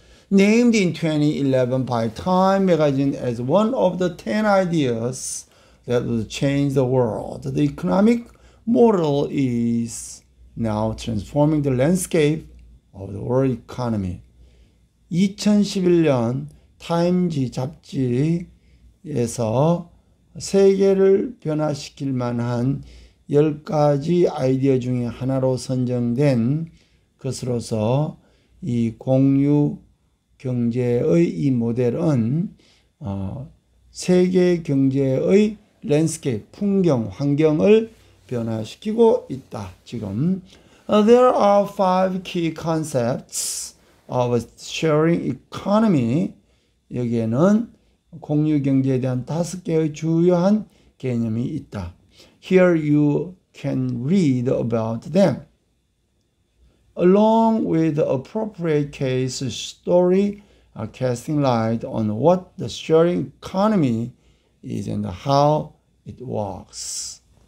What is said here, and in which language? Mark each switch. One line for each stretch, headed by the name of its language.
English: Named in 2011 by Time magazine as one of the 10 ideas that will change the world. The economic model is now transforming the landscape of the world economy.
Korean: 2011년 타임지 잡지에서 세계를 변화시킬 만한 10가지 아이디어 중에 하나로 선정된 것으로서 이 공유 경제의 이 모델은 세계 경제의 landscape, 풍경, 환경을 변화시키고 있다. 지금.
English: There are five key concepts of a sharing economy.
Korean: 여기에는 공유 경제에 대한 다섯 개의 주요한 개념이 있다.
English: Here you can read about them, along with appropriate case story, casting light on what the sharing economy is and how it works.